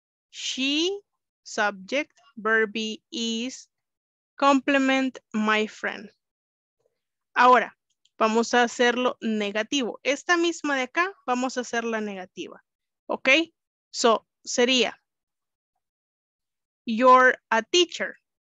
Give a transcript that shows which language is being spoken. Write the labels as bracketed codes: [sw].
[en] She, subject, verb be, is, complement, my friend. [es] Ahora, vamos a hacerlo negativo. Esta misma de acá, vamos a hacerla negativa. ¿Ok? [en] So, sería, you're a teacher.